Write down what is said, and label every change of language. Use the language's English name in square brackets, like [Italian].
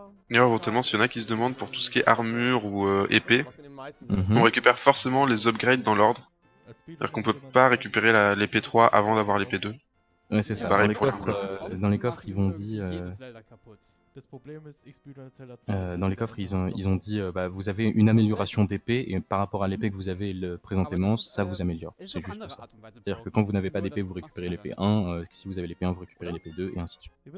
[French] Et éventuellement, s'il y en a qui se demandent pour tout ce qui est armure ou épée, on récupère forcément les upgrades dans l'ordre. C'est-à-dire qu'on peut pas récupérer l'épée 3 avant d'avoir l'épée 2. Ouais, c'est ça. Dans les coffres, ils vont dire... [German] Das Problem ist, ich spiele eine Zelda 2. [French] Dans les coffres, ils ont dit, bah, vous avez une amélioration d'épée, et par rapport à l'épée que vous avez le présentement, ça vous améliore. C'est juste pour ça. C'est-à-dire que quand vous n'avez pas d'épée, vous récupérez l'épée 1, si vous avez l'épée 1, vous récupérez l'épée 2, et ainsi de suite.